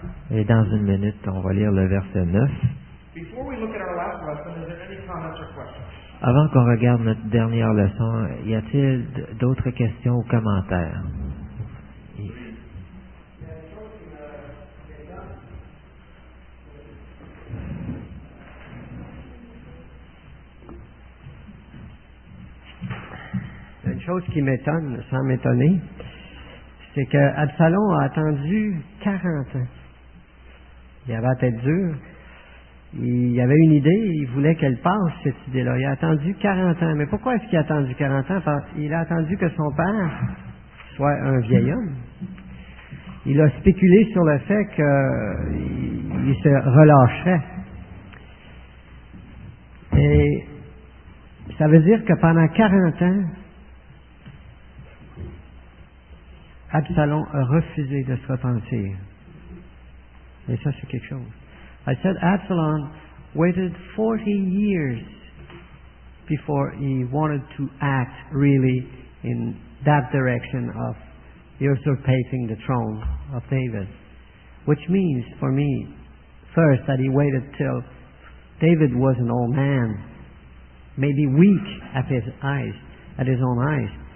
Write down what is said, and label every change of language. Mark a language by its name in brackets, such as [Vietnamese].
[French] Et dans une minute, on va lire le verset 9. [English] Before we look at our last lesson, is there any comments or questions? [French] Avant qu'on regarde notre dernière leçon, y a-t-il d'autres questions ou commentaires? une chose qui m'étonne, sans m'étonner, c'est que Absalom a attendu 40 ans. Il avait la tête dure. Il avait une idée, il voulait qu'elle passe, cette idée-là. Il a attendu 40 ans. Mais pourquoi est-ce qu'il a attendu 40 ans? Parce qu'il a attendu que son père soit un vieil homme. Il a spéculé sur le fait qu'il se relâcherait. Et ça veut dire que pendant 40 ans, Absalom a refusé de se repentir. Et ça, c'est quelque chose. [English] I said Absalom waited 40 years before he wanted to act really in that direction of usurping the throne of David. Which means for me, first, that he waited till David was an old man, maybe weak at his eyes, at his own eyes.